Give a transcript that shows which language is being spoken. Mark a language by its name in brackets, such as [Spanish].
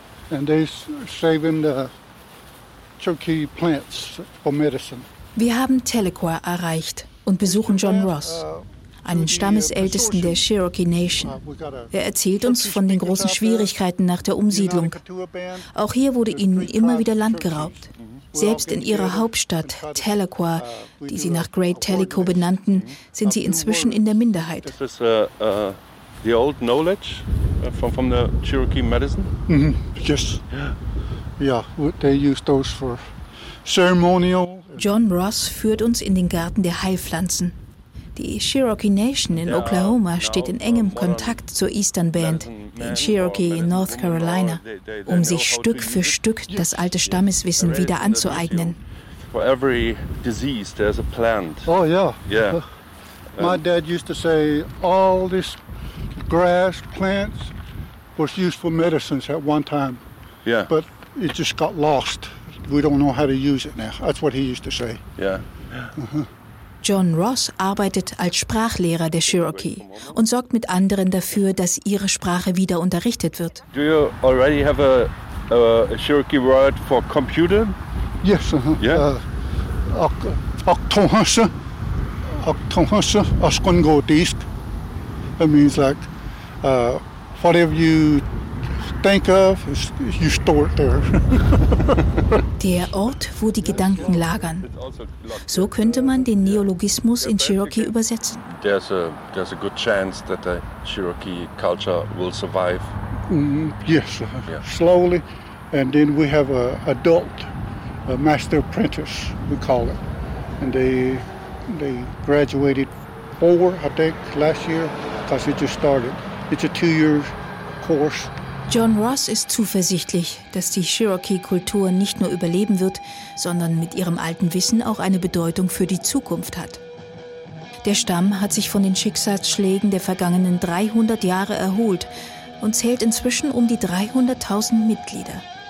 [English] And they're saving the Cherokee plants for medicine. [German] Wir haben Tahlequah erreicht und besuchen John Ross, einen Stammesältesten der Cherokee Nation. Er erzählt uns von den großen Schwierigkeiten nach der Umsiedlung. Auch hier wurde ihnen immer wieder Land geraubt. Selbst in ihrer Hauptstadt Tahlequah, die sie nach Great Tahlequah benannten, sind sie inzwischen in der Minderheit. [English] This is the old knowledge from the Cherokee medicine? Mm-hmm. Yes. Yeah. Yeah, they use those for ceremonial. [German] John Ross führt uns in den Garten der Heilpflanzen. Die Cherokee Nation in Oklahoma steht in engem Kontakt zur Eastern Band, den Cherokee in North Carolina, um sich Stück für Stück das alte Stammeswissen wieder anzueignen. [English] For every disease there's a plant. Oh yeah. Yeah. My dad used to say all this grass, plants was used for medicines at one time. Yeah. But it just got lost. We don't know how to use it now. That's what he used to say. Yeah. [German] John Ross arbeitet als Sprachlehrer der Cherokee und sorgt mit anderen dafür, dass ihre Sprache wieder unterrichtet wird. [English] Do you already have a Cherokee word for computer? Yes. Oktohunsa, that means like whatever you think of, you store it there. [German] Der Ort, wo die Gedanken lagern. So könnte man den Neologismus in Cherokee übersetzen. [English] There's a good chance that the Cherokee culture will survive. Yes, slowly. And then we have an adult, a master apprentice, we call it. And they graduated 4, I think, last year, because it just started. It's a 2-year course. [German] John Ross ist zuversichtlich, dass die Cherokee-Kultur nicht nur überleben wird, sondern mit ihrem alten Wissen auch eine Bedeutung für die Zukunft hat. Der Stamm hat sich von den Schicksalsschlägen der vergangenen 300 Jahre erholt und zählt inzwischen um die 300.000 Mitglieder.